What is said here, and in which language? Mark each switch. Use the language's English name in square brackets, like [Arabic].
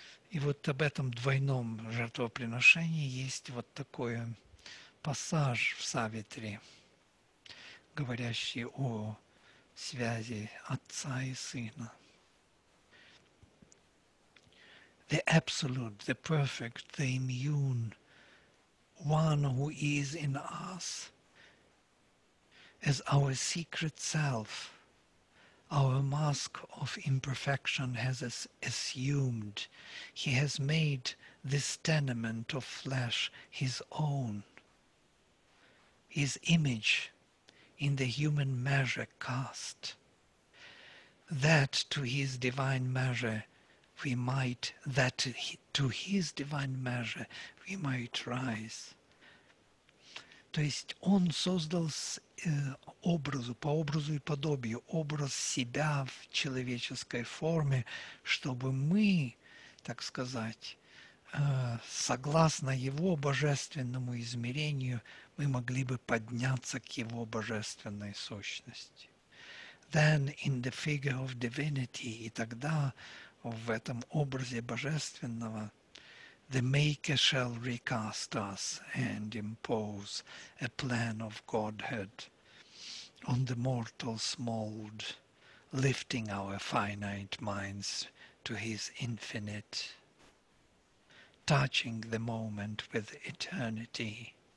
[Russian] И вот об этом двойном жертвоприношении есть вот такой пассаж в Саветре, говорящий о связи отца и сына. [English] The absolute, the perfect, the immune, one who is in us, as our secret self, our mask of imperfection has assumed. He has made this tenement of flesh his own. His image in the human measure cast, that to his divine measure we might, that to his divine measure we might rise. [Russian] То есть он создал образу, по образу и подобию, образ себя в человеческой форме, чтобы мы, так сказать, согласно его божественному измерению, мы могли бы подняться к его божественной сущности. [English] Then in the figure of divinity, [Russian] и тогда в этом образе божественного, [English] the maker shall recast us and impose a plan of Godhead on the mortal's mold, lifting our finite minds to his infinite, touching the moment with eternity.